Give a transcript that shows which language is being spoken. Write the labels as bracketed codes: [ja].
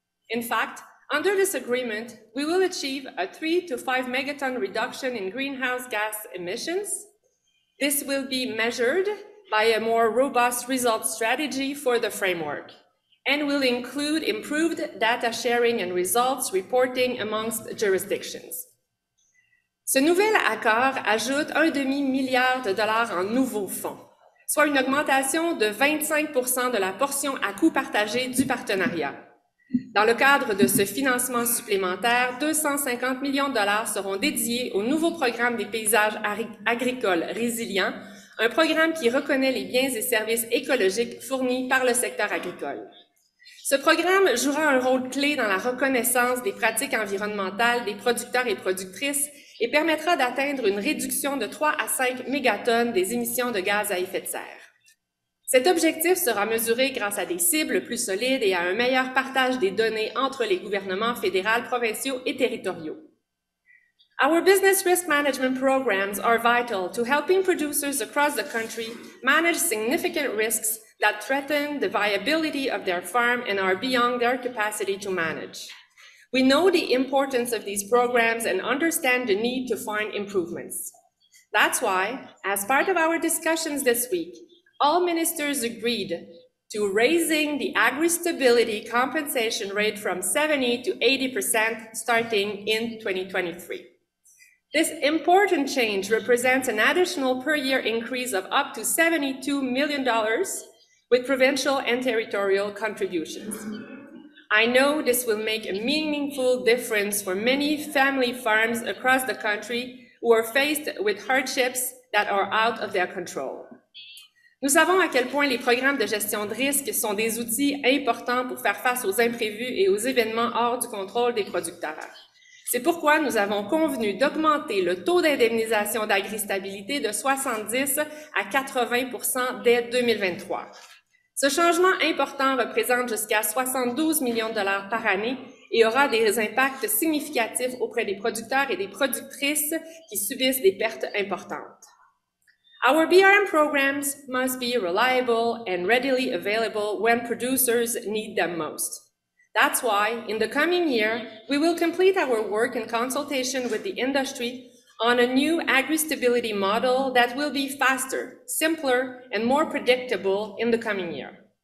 [en] In fact, under this agreement, we will achieve a 3 to 5 megatonne reduction in greenhouse gas emissions. This will be measured by a more robust results strategy for the framework and will include improved data sharing and results reporting amongst jurisdictions. [fr] Ce nouvel accord ajoute un demi-milliard de dollars en nouveaux fonds, soit une augmentation de 25% de la portion à coût partagé du partenariat. Dans le cadre de ce financement supplémentaire, 250 millions de dollars seront dédiés au nouveau programme des paysages agricoles résilients, un programme qui reconnaît les biens et services écologiques fournis par le secteur agricole. Ce programme jouera un rôle clé dans la reconnaissance des pratiques environnementales des producteurs et productrices et permettra d'atteindre une réduction de 3 à 5 mégatonnes des émissions de gaz à effet de serre. Cet objectif sera mesuré grâce à des cibles plus solides et à un meilleur partage des données entre les gouvernements fédéral, provinciaux et territoriaux. [en] Our business risk management programs are vital to helping producers across the country manage significant risks that threaten the viability of their farm and are beyond their capacity to manage. We know the importance of these programs and understand the need to find improvements. That's why, as part of our discussions this week, all ministers agreed to raising the agri-stability compensation rate from 70 to 80% starting in 2023. This important change represents an additional per year increase of up to $72 million with provincial and territorial contributions. I know this will make a meaningful difference for many family farms across the country who are faced with hardships that are out of their control. [fr] Nous savons à quel point les programmes de gestion de risque sont des outils importants pour faire face aux imprévus et aux événements hors du contrôle des producteurs. C'est pourquoi nous avons convenu d'augmenter le taux d'indemnisation d'agri-stabilité de 70 à 80% dès 2023. Ce changement important représente jusqu'à 72 millions de dollars par année et aura des impacts significatifs auprès des producteurs et des productrices qui subissent des pertes importantes. [en] Our BRM programs must be reliable and readily available when producers need them most. That's why, in the coming year, we will complete our work in consultation with the industry on a new agri-stability model that will be faster, simpler, and more predictable in the coming year.